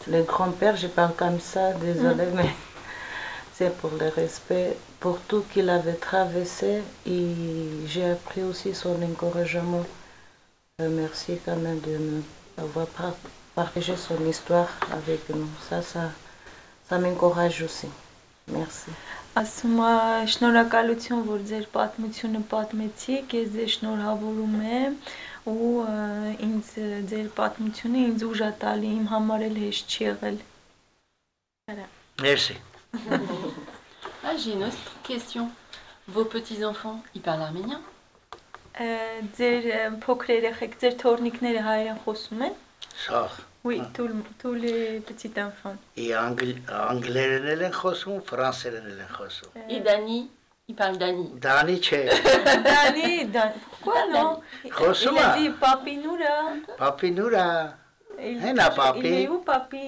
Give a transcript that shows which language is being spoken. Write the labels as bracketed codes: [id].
[fr] Le grand-père, je parle comme ça, désolé, mais c'est pour le respect, pour tout qu'il avait traversé, et j'ai appris aussi son encouragement. Merci quand même de nous avoir partagé son histoire avec nous. Ça m'encourage aussi. Merci. [hy] Ասում եմ շնորհակալություն, որ ձեր պատմությունը պատմեցիք, ես ձեզ շնորհավորում եմ ու ինձ ձեր պատմությունը ինձ ուժ է տալի, իմ համար էլ հեշտ չի եղել։ [fr] Merci. J'ai une autre question. Vos petits-enfants, ils parlent arménien? [hy] Ձեր փոքր երեխեք, ձեր թոռնիկները հայերեն խոսում են? Շահ։ [fr] Oui, tous les petits enfants. Et anglais, ils parlent français, français, ils parlent français. Et Dani, il parle Dani. Dani, c'est. Dani, pourquoi non? [hy] Khosuma. [fr] Il a dit papi Noura. Papi Noura. Il est où papi?